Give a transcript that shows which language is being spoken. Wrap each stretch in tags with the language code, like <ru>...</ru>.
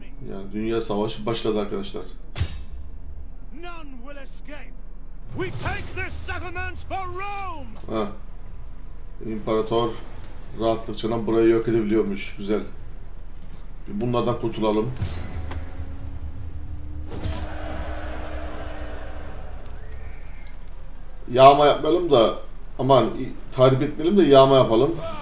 <tr>Ya dünya savaşı başladı arkadaşlar.</tr> <en>None will escape. We take this settlement for Rome. Ha.</en> <tr>İmparator rahatlıkla burayı yok edebiliyormuş. Güzel. Bir bunlardan kurtulalım. Yağma yapmayalım da aman tahrip etmeyelim de yağma yapalım.</tr>